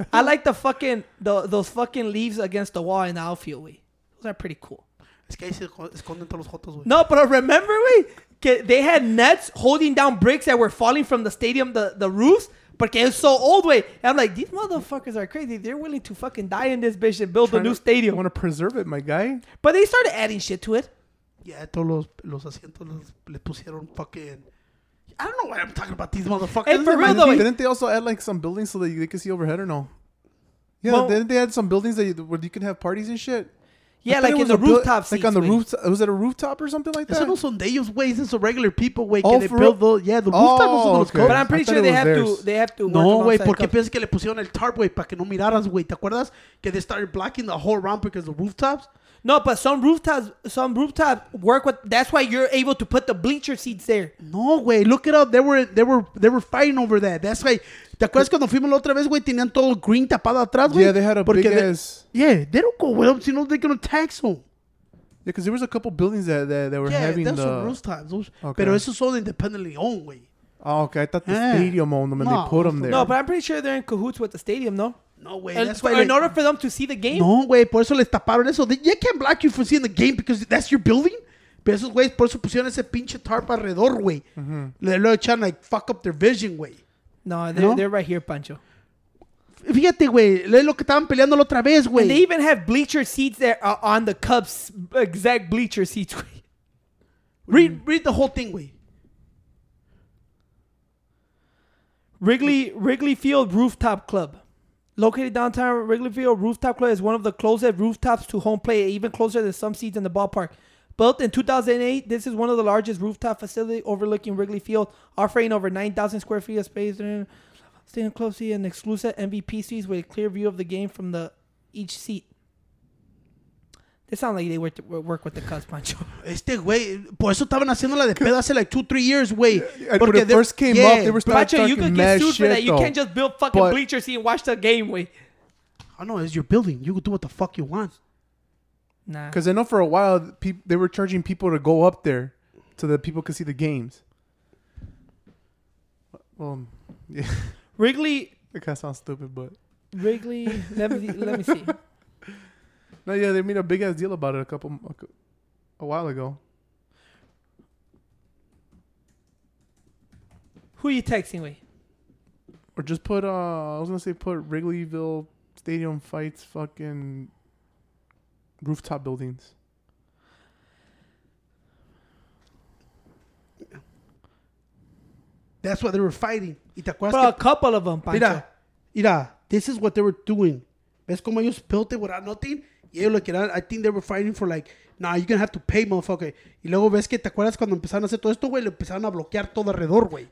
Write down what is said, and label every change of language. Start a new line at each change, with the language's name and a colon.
English: I like the fucking those fucking leaves against the wall in the outfield, wait. Those are pretty cool. No, but remember, wait, they had nets holding down bricks that were falling from the stadium, the roofs, but it's so old, wait. I'm like, these motherfuckers are crazy. They're willing to fucking die in this bitch and build a new stadium. I want to preserve it, my guy. But they started adding shit to it.
Spanish: Yeah, todos los asientos los le pusieron fucking.
English: I don't know why I'm talking about these motherfuckers. Hey, for real though, didn't they also add like some buildings so that they could see overhead or no? Yeah, well, didn't they add some buildings that where you can have parties and shit? Yeah, like in the rooftop. Like on the rooftop. Was it a rooftop or something like that? It's not some deus way. It's just a regular people way. Can they build those? Yeah, the rooftop was those. Okay. But I'm pretty sure they have to.
Spanish: No, way. Porque piensas que le pusieron el tarp, way, para que no miraras, way. ¿Te acuerdas?
English: Que they started blocking the whole round because of the rooftops. No, but some rooftops work with. That's why you're able to put the bleacher seats there. No way! Look it up. They were fighting over that. That's why.
Spanish: ¿Te acuerdas cuando fuimos la otra vez, güey? Tenían todo green tapado atrás, güey.
English: Yeah, they had a big ass. Yeah, they don't go with them. You know they're gonna tax them. Yeah, because there was a couple buildings that were having the. Yeah, that's rooftops. Okay.
Spanish: Pero eso son
English: independently owned, güey. Oh, okay, I thought the stadium owned them and they put them there. No, but I'm pretty sure they're in cahoots with the stadium, no. No way. And that's why. In order for them to see the game. No way.
Spanish: Por eso les taparon eso.
English: They can't block you from seeing the game because that's your building.
Spanish: Pero esos güeyes por eso pusieron ese pinche tarp alrededor, güey. Mm-hmm.
English: They're trying to like, fuck up their vision, güey. No, they're right here, Pancho.
Spanish: Fíjate, güey. Es lo que estaban peleando la otra vez, güey.
English: They even have bleacher seats that are on the Cubs. Exact bleacher seats, güey. Read the whole thing, güey. Wrigley Field Rooftop Club. Located downtown Wrigley Field, Rooftop Club is one of the closest rooftops to home plate, even closer than some seats in the ballpark. Built in 2008, this is one of the largest rooftop facilities overlooking Wrigley Field, offering over 9,000 square feet of space, standing close to an exclusive MVP seats with a clear view of the game from each seat. They sound like they work with the Cubs, Pancho.
Spanish: Este güey, por eso estaban haciendo la de pedo hace
English: like 2-3 years,
Spanish: güey.
English: When it first came up, they were starting to talk mad shit, can get sued for that. You can't just build fucking bleachers and watch the game, güey. I know, it's your building. You can do what the fuck you want. Nah. Because I know for a while, they were charging people to go up there so that people could see the games. Yeah. Wrigley. It kind of sounds stupid, but. Wrigley, let me see. No, yeah, they made a big-ass deal about it a while ago. Who are you texting, Wei? Or just put, I was going to say put Wrigleyville Stadium Fights fucking rooftop buildings. That's what they were fighting. Bro, a couple of them, Pancho.
Spanish: Mira,
English: this is what they were doing.
Spanish: ¿Ves como ellos
English: built it without nothing? Yeah, look, I think they were fighting for like, nah, you're going to have to pay, motherfucker.
Spanish: Y luego ves que te acuerdas cuando empezaron a hacer todo esto, güey, le empezaron a bloquear todo alrededor, güey.